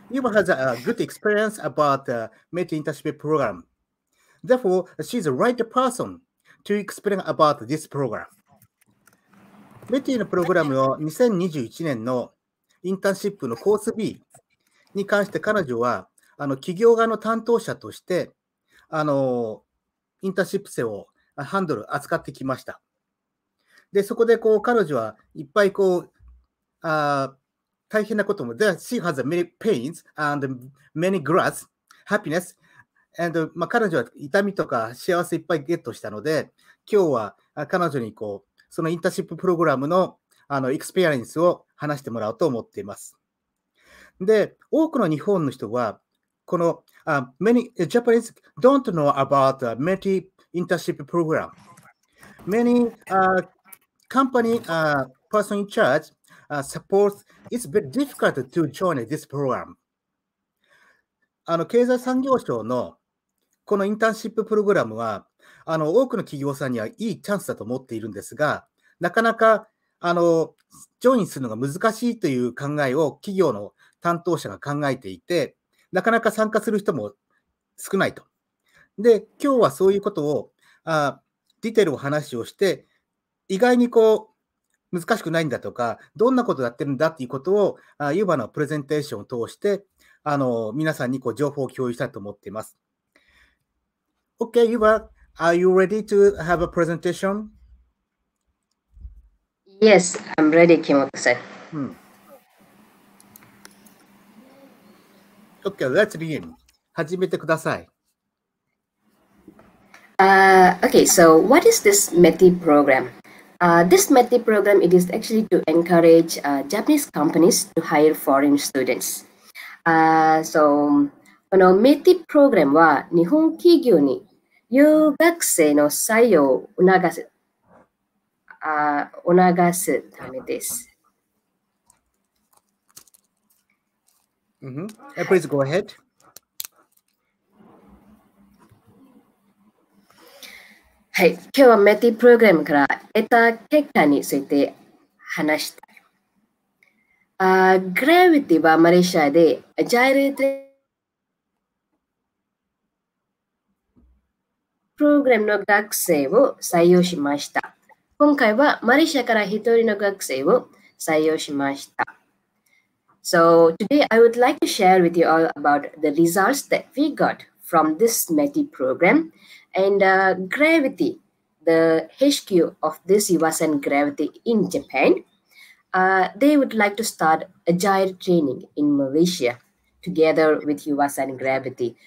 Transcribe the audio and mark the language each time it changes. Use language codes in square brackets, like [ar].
[en] Yuba has a good experience about the METI Internship Program. Therefore, she's the right person to explain about this program. [ja] METI の program を2021年のインターンシップのコース B に関して彼女は企業側の担当者としてインターンシップ生をハンドル扱ってきました。でそこでこう彼女はいっぱいこう大変なことも [en] She has many pains and many grass happiness [ja] and、まあ、彼女は痛みとか幸せいっぱいゲットしたので今日は彼女にこうそのインターンシッププログラムのエクスペリエンスを話してもらおうと思っています。で、多くの日本の人は、この、 [en] many Japanese don't know about the METI internship program. Many company person in charge supports it's very difficult to join this program. [ja] 経済産業省のこのインターンシッププログラムは、多くの企業さんにはいいチャンスだと思っているんですが、なかなかジョインするのが難しいという考えを企業の担当者が考えていて、なかなか参加する人も少ないと。で、今日はそういうことを、ディテールを話をして、意外にこう、難しくないんだとか、どんなことやってるんだということを、ユーバのプレゼンテーションを通して、皆さんにこう情報を共有したいと思っています。 [en] Okay, Yuba, are you ready to have a presentation? Yes, I'm ready, Kimoto-san. Okay, let's begin. [ja] 始めてください。 [en] Okay, so what is this METI program? This METI program, it is actually to encourage Japanese companies to hire foreign students. [ja] So, この METI program は日本企業に留学生の採用を促す。促すためです。 [en] Mm-hmm. Please go ahead. [ja] はい、今日はメティプログラムから得た結果について話したい。グラビティはマレーシアでアジャイルトレーニングプログラムの学生を採用しました。今回はマレーシアから一人の学生を採用しました。 [en] So today I would like to share with you all about the results that we got from this METI program and Gravity, the HQ of this Iwasan Gravity in Japan. They would like to start agile training in Malaysia together with Iwasan Gravity.